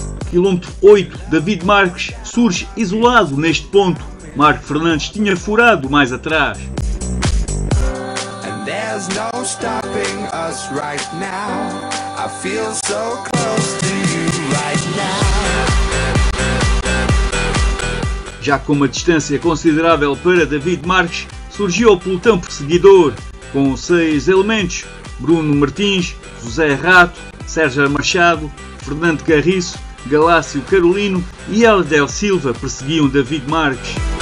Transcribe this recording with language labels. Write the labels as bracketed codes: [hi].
[pt] Quilómetro 8, David Marques surge isolado neste ponto. Marco Fernandes tinha furado mais atrás. [en] There's no stopping us right now. I feel so close to you right now. [pt] Já com uma distância considerável para David Marques, surgiu o pelotão perseguidor, com 6 elementos: Bruno Martins, José Rato, Sérgio Machado, Fernando Carriço, Galácio Carolino e Aldel Silva perseguiam David Marques.